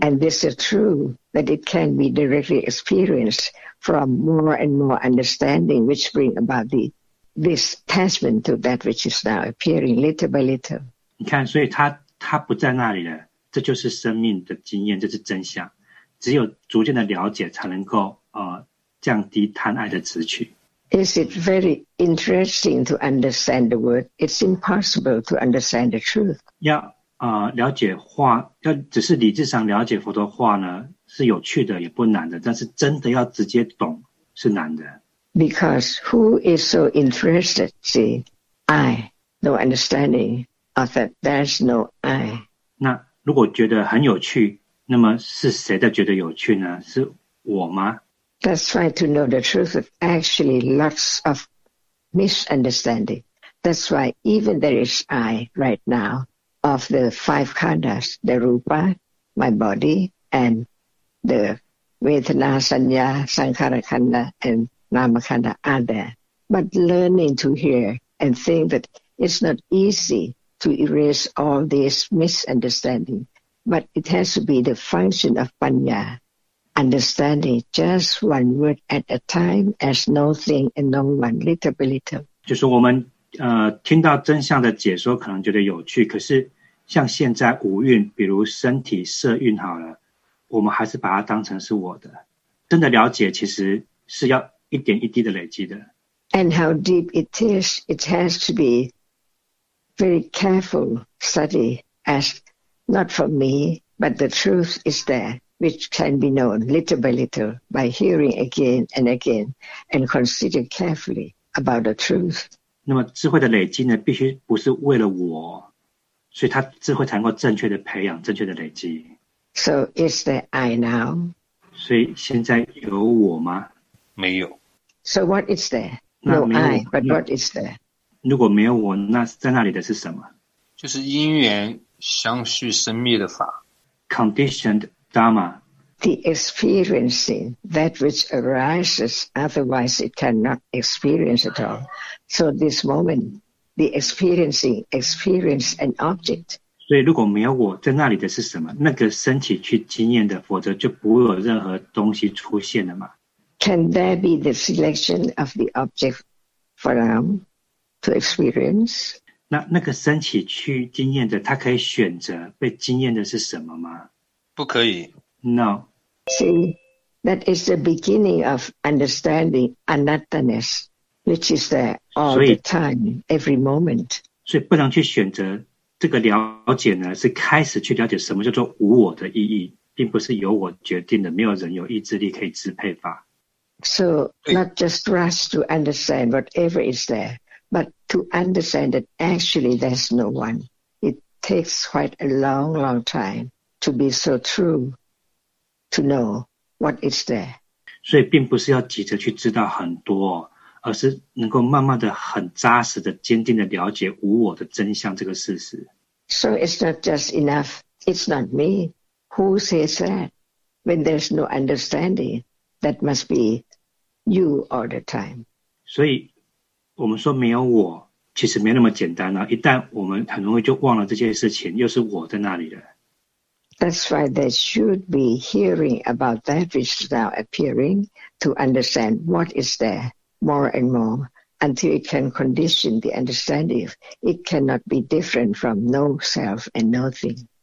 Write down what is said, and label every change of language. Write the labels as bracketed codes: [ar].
[en] And this is true, that it can be directly experienced from more and more understanding, which bring about this attachment to that which is now appearing little by little. [zh] 你看，所以它不在那里了，这就是生命的经验，这是真相。只有逐渐的了解才能够降低贪爱的执取。 [en] Is it very interesting to understand the word? It's impossible to understand the truth. [zh] 要了解话，要只是理智上了解佛陀话呢，是有趣的，也不难的。但是真的要直接懂是难的。 [en] Because who is so interested? See, I no understanding of that. There's no I. [zh] 那如果觉得很有趣，那么是谁在觉得有趣呢？是我吗？ [en] That's why to know the truth is actually lots of misunderstanding. That's why even there is I right now of the five khandhas, the rupa, my body, and the vedana, sanya, sankhara khandha, and nama khandha are there. But learning to hear and think that it's not easy to erase all this misunderstanding, but it has to be the function of panya. Understanding just one word at a time as nothing and no one, little by little. [zh] 就是我们听到真相的解说可能觉得有趣，可是像现在五蕴，比如身体色蕴好了，我们还是把它当成是我的。真的了解其实是要一点一滴的累积的。 [en] And how deep it is, it has to be very careful study as not for me, but the truth is there. Which can be known little by little by hearing again and again and consider carefully about the truth. [zh] 那么智慧的累积呢，必须不是为了我，所以他智慧才能够正确的培养，正确的累积。 [en] So is there I now? [zh] 所以现在有我吗？没有。 [en] So what is there? No I, but what is there? [zh] 如果没有我，那在那里的是什么？就是因缘相续生灭的法。 [en] Conditioned. Dharma. The experiencing that which arises, otherwise it cannot experience at all. So this moment, the experiencing experience an object. [zh] 所以如果没有我在那里的是什么？那个身体去经验的，否则就不会有任何东西出现了嘛。 [en] Can there be the selection of the object for them to experience? [zh] 那个身体去经验的，他可以选择被经验的是什么吗？不可以。 [en] No. See, that is the beginning of understanding anatta-ness, which is there all the time, every moment. [zh] 所以不能去选择这个了解呢，是开始去了解什么叫做无我的意义，并不是由我决定的，没有人有意志力可以支配法。 [en] So, not just rush to understand whatever is there, but to understand that actually there's no one. It takes quite a long, long time. To be so true, to know what is there. [zh] 所以并不是要急着去知道很多，而是能够慢慢的、很扎实的、坚定的了解无我的真相这个事实。 [en] So it's not just enough. It's not me. Who says that? When there's no understanding, that must be you all the time. [zh] 所以我们说没有我，其实没那么简单啊，一旦我们很容易就忘了这件事情，又是我在那里了。 [en] That's why there should be hearing about that which is now appearing to understand what is there more and more until it can condition the understanding. It cannot be different from no self and nothing.